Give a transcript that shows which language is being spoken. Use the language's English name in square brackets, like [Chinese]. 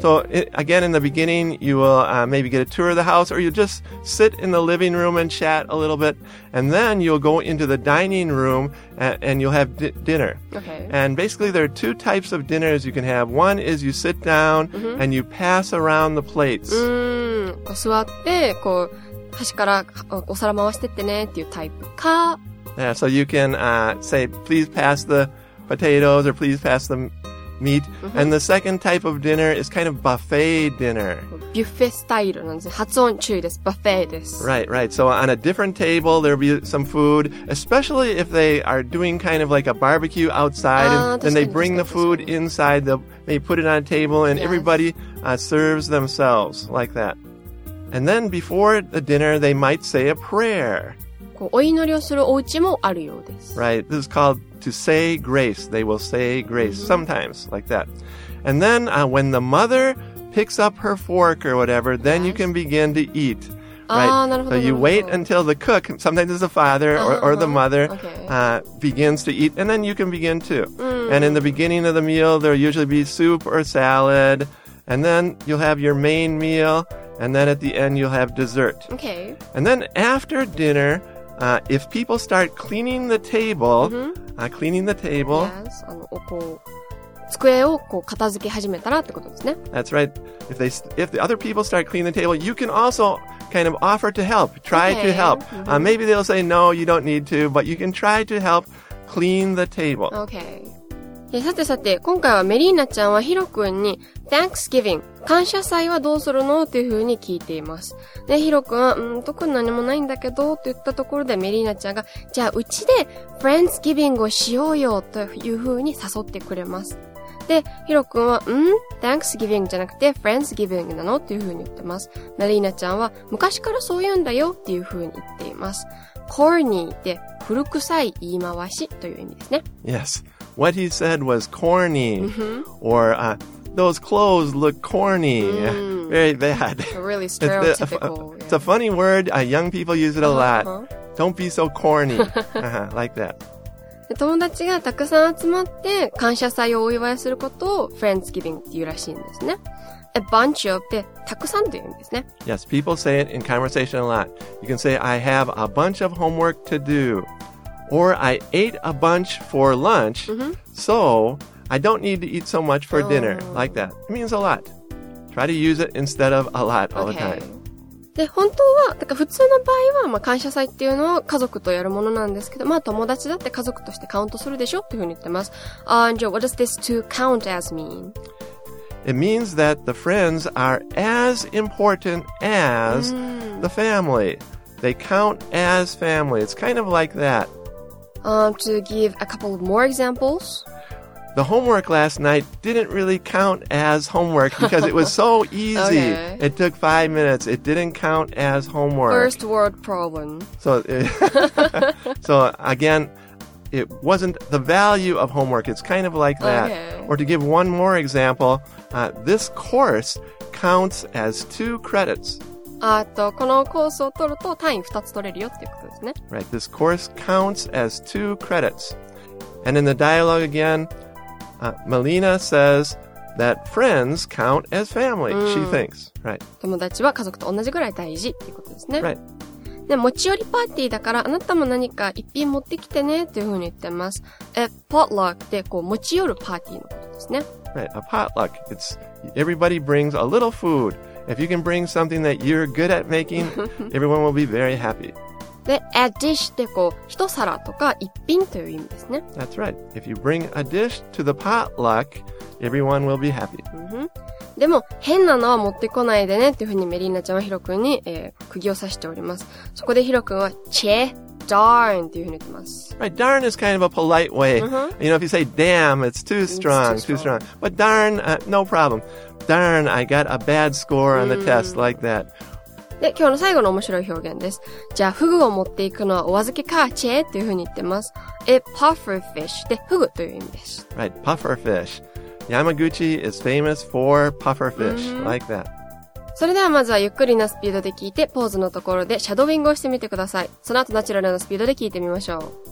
[English] So, again, in the beginning, you will、maybe get a tour of the house, or you'll just sit in the living room and chat a little bit, and then you'll go into the dining room, and you'll have dinner. Okay. And basically, there are two types of dinners you can have. One is you sit down、mm-hmm. and you pass around the plates. [Japanese] こう座ってこう端からお皿回してってねっていうタイプか。 [English] Yeah, so you can、say, please pass the potatoes or please pass the meat.、 Mm-hmm. And the second type of dinner is kind of buffet dinner. [Japanese] Buffet style なんです。発音注意です。 Buffet です。 [English] Right. So on a different table, there'll be some food, especially if they are doing kind of like a barbecue outside. And then they bring the food inside, they put it on a table, and、 yes. everybody、serves themselves like that. And then before the dinner, they might say a prayer. [Japanese] こうお祈りをするお家もあるようです。 [English] Right. This is called... To say grace, they will say grace、mm-hmm. sometimes like that. And then、when the mother picks up her fork or whatever, then、 yes. you can begin to eat. Right? [Japanese] Ah, なるほど, [English] so you wait until the cook, sometimes it's the father or,、 uh-huh. or the mother,、 okay. Begins to eat, and then you can begin too.、 Mm. And in the beginning of the meal, there'll usually be soup or salad, and then you'll have your main meal, and then at the end, you'll have dessert. Okay. And then after dinner,if people start cleaning the table,、 mm-hmm. Cleaning the table. [Japanese] Yes, こう机をこう片付け始めたらってことですね。 [English] That's right. If the other people start cleaning the table, you can also kind of offer to help. Try、 okay. to help.、Mm-hmm. Maybe they'll say, no, you don't need to, but you can try to help clean the table. Okay. [Japanese] さてさて、今回はメリーナちゃんはヒロ君に Thanksgiving, 感謝祭はどうするのっていうふうに聞いています。で、ヒロ君は、うん、特に何もないんだけど、と言ったところでメリーナちゃんが、じゃあうちで Friendsgiving をしようよ、というふうに誘ってくれます。で、ヒロ君は、ん？ Thanksgiving じゃなくて Friendsgiving なの？っていう風に言ってます。ナリーナちゃんは、昔からそう言うんだよっていう風に言っています。 Corny って、古臭い言い回しという意味ですね。 [English] Yes. What he said was corny. Or, those clothes look corny. Very bad. Really stereotypical. It's a funny word. Young people use it a lot. Don't be so corny. Like that. [Japanese] 友達がたくさん集まって感謝祭をお祝いすることを Friendsgiving っていうらしいんですね。 A bunch of ってたくさんというんですね。 [English] Yes, people say it in conversation a lot. You can say, I have a bunch of homework to do. Or, I ate a bunch for lunch,、mm-hmm. so I don't need to eat so much for dinner. Like that. It means a lot. Try to use it instead of a lot all、 okay. the time. [Japanese] で本当はだから普通の場合は、まあ、感謝祭っていうのは家族とやるものなんですけど、まあ、友達だって家族としてカウントするでしょっていうふうに言ってます。 [English] And what does this to count as mean? It means that the friends are as important as the family. They count as family. It's kind of like that. To give a couple of more examples... The homework last night didn't really count as homework because it was so easy. 、 okay. It took 5 minutes. It didn't count as homework. First world problem. So again, it wasn't the value of homework. It's kind of like that. Okay. Or to give one more example, this course counts as 2 credits. [Japanese] このコースを取ると単位2つ取れるよっていうことですね。 [English] Right. This course counts as 2 credits. And in the dialogue again,Melina says that friends count as family,、she thinks. Right. [Japanese] 友達は家族と同じぐらい大事っていうことですね。 [English] Right. [Japanese] で、持ち寄りパーティーだから、あなたも何か一品持ってきてねっていうふうに言ってます。 Potluck ってこう持ち寄るパーティーのことですね。 [English] Right. A potluck. It's everybody brings a little food. If you can bring something that you're good at making, everyone will be very happy. [Japanese] で、a dish ってこう、一皿とか一品という意味ですね。 [English] That's right. If you bring a dish to the potluck, everyone will be happy.、 Mm-hmm. [Japanese] でも、変なのは持ってこないでねっていうふうにメリーナちゃんはヒロ君に、釘を刺しております。そこでヒロ君は、チェ、darn っていうふうに言ってます。 [English] Right, darn is kind of a polite way.、 Mm-hmm. You know, if you say damn, it's too strong, it's too strong. But darn,、no problem. Darn, I got a bad score on the、mm-hmm. test like that. [Japanese] で、今日の最後の面白い表現です。じゃあ、フグを持っていくのはお預けか、チェっていうふうに言ってます。 A puffer fish で、フグという意味です。 [English] Right, puffer fish. Yamaguchi is famous for puffer fish. Like that. [Japanese] それではまずはゆっくりなスピードで聞いて、ポーズのところでシャドウィングをしてみてください。その後ナチュラルなスピードで聞いてみましょう。